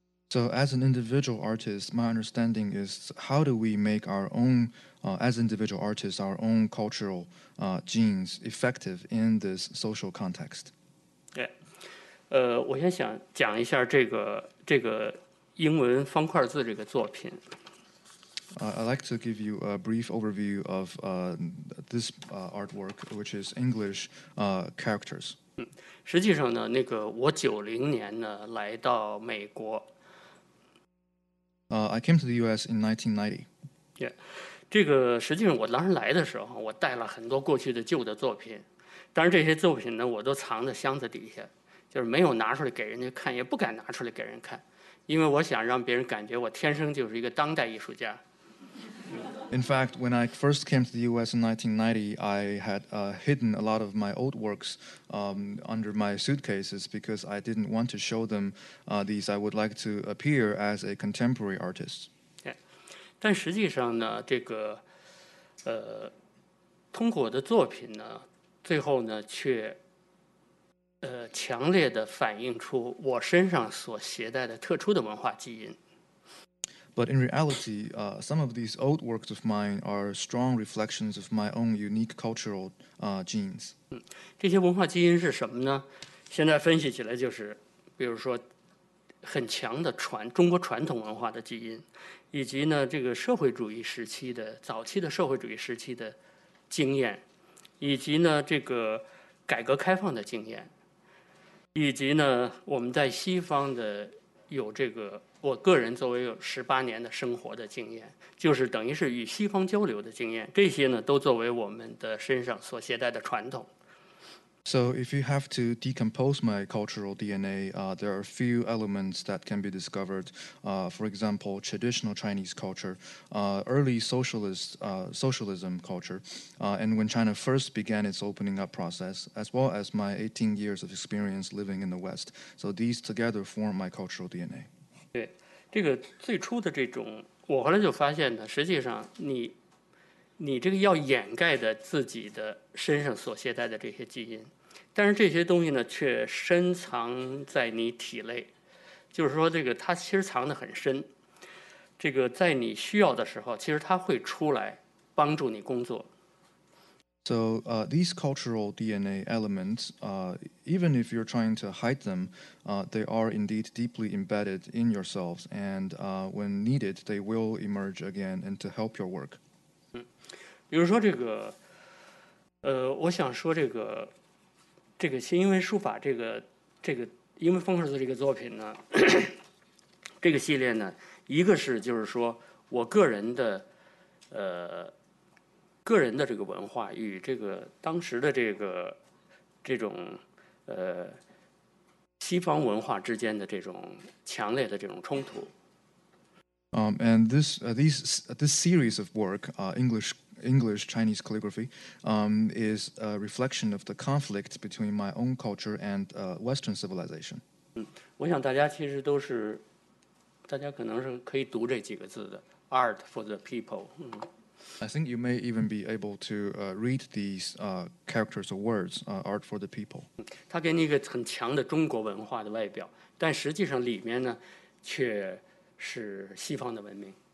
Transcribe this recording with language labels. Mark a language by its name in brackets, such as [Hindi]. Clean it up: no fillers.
[English] So as an individual artist, my understanding is how do we make our own, as individual artists, our own cultural genes effective in this social context? Yeah. [Chinese] 我先想讲一下这个英文方块字这个作品。 [English] I'd like to give you a brief overview of this artwork, which is English characters. [Chinese] 实际上呢，那个我90年呢来到美国。 [English] I came to the U.S. in 1990. [Chinese] Yeah, 这个实际上我当时来的时候，我带了很多过去的旧的作品，但是这些作品呢，我都藏在箱子底下，就是没有拿出来给人家看，也不敢拿出来给人看。因为我想让别人感觉我天生就是一个当代艺术家。 [English] In fact, when I first came to the U.S. in 1990, I had hidden a lot of my old works under my suitcases because I didn't want to show them these. I would like to appear as a contemporary artist. Yeah. [Chinese] 但实际上呢，这个通过我的作品呢，最后呢却强烈地反映出我身上所携带的特殊的文化基因。 [English] But in reality, some of these old works of mine are strong reflections of my own unique cultural genes. [Chinese] 这些文化基因是什么呢？现在分析起来就是，比如说很强的中国传统文化的基因，以及呢这个社会主义时期的早期的社会主义时期的经验，以及呢这个改革开放的经验。以及呢，我们在西方的有这个，我个人作为有十八年的生活的经验，就是等于是与西方交流的经验，这些呢都作为我们的身上所携带的传统。 [English] So if you have to decompose my cultural DNA, there are a few elements that can be discovered. For example, traditional Chinese culture, early socialism culture, and when China first began its opening up process, as well as my 18 years of experience living in the West. So these together form my cultural DNA. [Chinese] 对，这个最初的这种，我后来就发现呢，实际上你这个要掩盖的自己的身上所携带的这些基因，但是这些东西呢却深藏在你体内，就是说这个它其实藏得很深，这个在你需要的时候其实它会出来帮助你工作。 [English] So these cultural DNA elements, even if you're trying to hide them, they are indeed deeply embedded in yourselves, and when needed, they will emerge again and to help your work. [Chinese] 比如说这个，我想说这个新英文书法这个英文风格的这个作品呢，这个系列呢，一个是就是说我个人的这个文化与这个当时的这种西方文化之间的这种强烈的这种冲突。 [English] And this series of work, English Chinese calligraphy, is a reflection of the conflict between my own culture and Western civilization. [Chinese] 我想大家其实都是，大家可能是可以读这几个字的 ， [English] art for the people。 I think you may even be able to read these characters or words, art for the people. [Chinese] 它给你一个很强的中国文化的外表，但实际上里面呢，却是西方的文明。